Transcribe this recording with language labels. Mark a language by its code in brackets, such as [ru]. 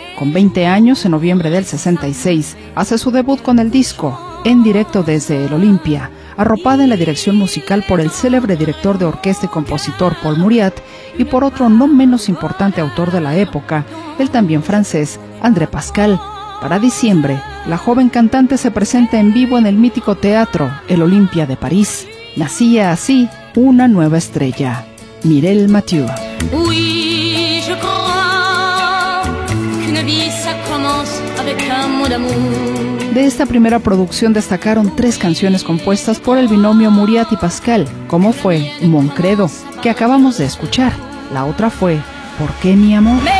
[es] Con 20 años, en noviembre del 66, hace su debut con el disco, en directo desde el Olympia, arropada en la dirección musical por el célebre director de orquesta y compositor Paul Muriat y por otro no menos importante autor de la época, el también francés André Pascal. Para diciembre, la joven cantante se presenta en vivo en el mítico teatro, el Olympia de París. Nacía así una nueva estrella, Mireille Mathieu. [fr] Oui, je crois qu'une vie ça commence avec un mot d'amour. [es] De esta primera producción destacaron tres canciones compuestas por el binomio Muriat y Pascal, como fue Mon Credo, que acabamos de escuchar. La otra fue ¿Por qué mi amor?